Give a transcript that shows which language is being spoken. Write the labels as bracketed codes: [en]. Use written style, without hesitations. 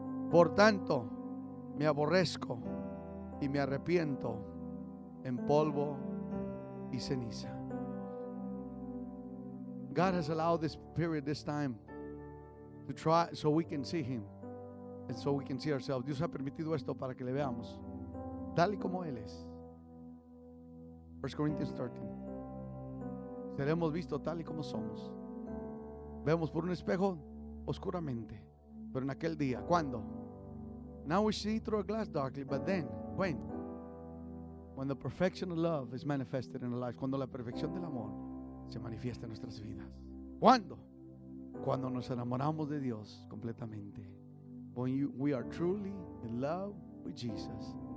[es] Por tanto, me aborrezco y me arrepiento en polvo y ceniza. [en] God has allowed this period, this time, to try so we can see him and so we can see ourselves. [es] Dios ha permitido esto para que le veamos tal y como él es. [en] 1 Corinthians 13. [es] Seremos vistos tal y como somos. Vemos por un espejo oscuramente. Pero en aquel día, ¿cuándo? [en] Now we see through a glass darkly, but then, when? When the perfection of love is manifested in our lives. [es] Cuando la perfección del amor se manifiesta en nuestras vidas. ¿Cuándo? Cuando nos enamoramos de Dios completamente. [en] When we are truly in love with Jesus.